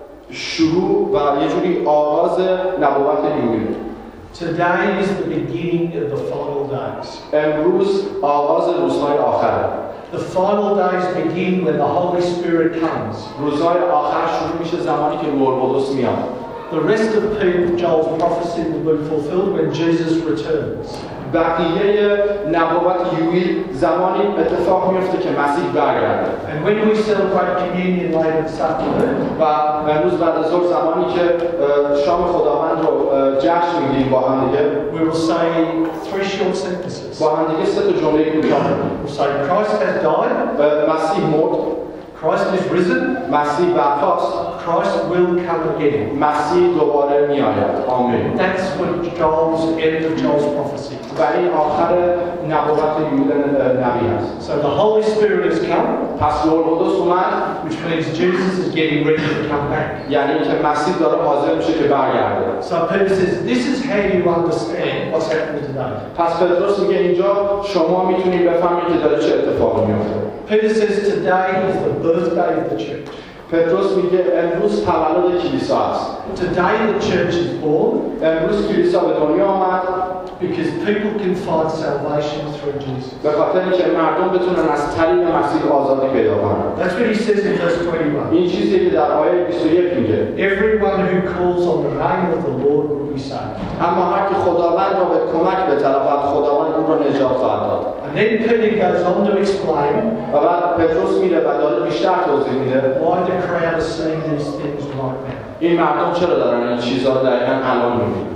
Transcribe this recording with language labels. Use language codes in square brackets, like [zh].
[fa] شروع و یه جوری آغاز نبوت یوئیل. [en] Today is the beginning of the final days. [fa] امروز آغاز روزهای آخره. [en] The final days begin when the Holy Spirit comes. [fa] روزهای آخر شروع میشه زمانی که روح القدس میاد. [en] The rest of Joel's prophecy will be fulfilled when Jesus returns. [fa] بقیه نبوت یوئیل زمانی اتفاق میفته که مسیح برگرده. [en] And when we celebrate communion later this afternoon, [fa] و امروز بعد از ظهر زمانی که شام خداوند رو جشن میگیریم با هم دیگه, [en] we will say three short sentences. [fa] با هم دیگه سه تا جمله کوتاه. [en] We'll say Christ has died. [fa] مسیح مرد. [en] Christ is risen. [fa] مسیح برخاست. [en] Christ will come again. [fa] مسیح دوباره میآید. آمین. [en] That's what Joel's end of Joel's prophecy. [fa] و این آخر نبوت یوئیل نبی است. [en] So the Holy Spirit has come. [fa] پس روح القدس اومد. [en] Which means Jesus is getting ready to come back. [fa] یعنی که مسیح داره حاضر میشه که برگرده. [en] So Peter says, this is how you understand what's happening today. [fa] پس پتروس میگه اینجا شما میتونید بفهمید که داره چه اتفاقی میفته. [en] Peter says, today is the birthday of the church. [fa] پتروس میگه امروز تولد کلیسا است. [en] Today the church is born. [fa] امروز کلیسا به دنیا آمد. [en] Because people can find salvation through Jesus. [fa] به خاطر اینکه مردم بتونن از طریق مسیح آزادی پیدا کنن. [en] That's what he says in verse 21. [fa] این چیزی که در آیه 21 میگه. [en] Everyone who calls on the name of the Lord will be saved. [fa] اما هر که خداوند را به کمک بطلبد خداوند او را نجات خواهد داد. [en] And then Peter goes on to explain. [fa] و بعد پتروس میره و داره بیشتر توضیح میده. [en] Why the crowd is seeing these things right now. [fa] این مردم چرا دارن این چیزها رو در این الان میبینن؟